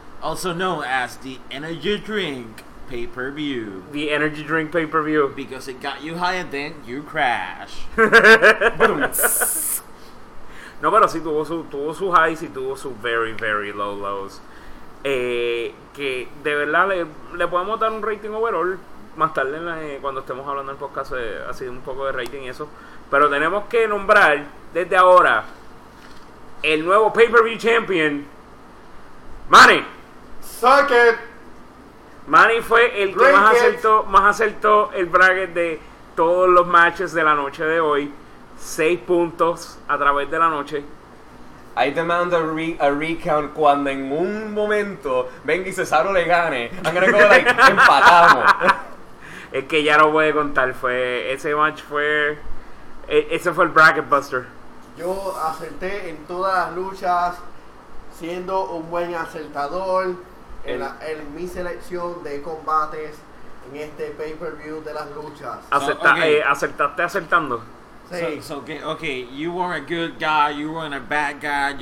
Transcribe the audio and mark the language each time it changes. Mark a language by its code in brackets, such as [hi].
[en] Also known as the energy drink pay-per-view. The energy drink pay-per-view. Because it got you high and then you crash. [es] No, pero sí tuvo su highs y tuvo sus [en] very, very low lows. [es] Que de verdad le podemos dar un rating overall más tarde cuando estemos hablando en el podcast, ha sido un poco de rating y eso. Pero tenemos que nombrar desde ahora el nuevo pay-per-view champion, Manny. [en] Suck it. [es] Manny fue el que más acertó el bracket de todos los matches de la noche de hoy. 6 puntos a través de la noche. [en] I demand a recount [es] cuando en un momento venga y Cesaro le gane. [en] I'm gonna go like, [es] empatamos. Es que ya no puede contar. Ese fue el bracket buster. Yo acerté en todas las luchas siendo un buen acertador. En mi selección de combates en este pay-per-view de las luchas. ¿Acertaste acertando? Sí. [en] So, you weren't a good guy, you weren't a bad guy.